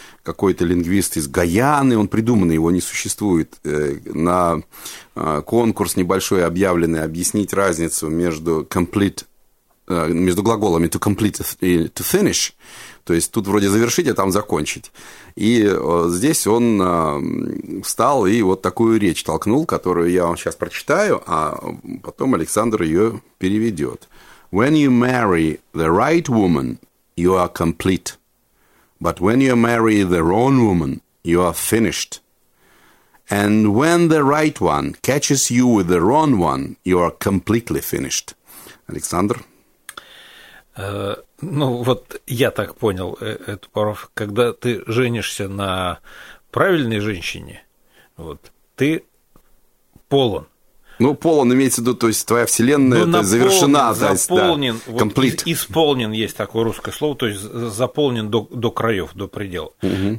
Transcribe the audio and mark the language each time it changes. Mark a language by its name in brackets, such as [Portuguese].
[Russian] Какой-то лингвист из Гаяны, он придуманный, его не существует, на конкурс небольшой объявленный объяснить разницу между «complete», между глаголами «to complete» и «to finish». То есть тут вроде завершить, а там закончить. И здесь он встал и вот такую речь толкнул, которую я вам сейчас прочитаю, а потом Александр ее переведет. [English] When you marry the right woman, you are complete. But when you marry the wrong woman, you are finished. And when the right one catches you with the wrong one, you are completely finished. [Russian] Александр? Ну, вот я так понял эту пару. Когда ты женишься на правильной женщине, вот, ты полон. Ну, полон имеется в виду, то есть твоя вселенная завершена. Заполнен, да, complete. Вот, исполнен есть такое русское слово, то есть заполнен до краев, до предела. Угу.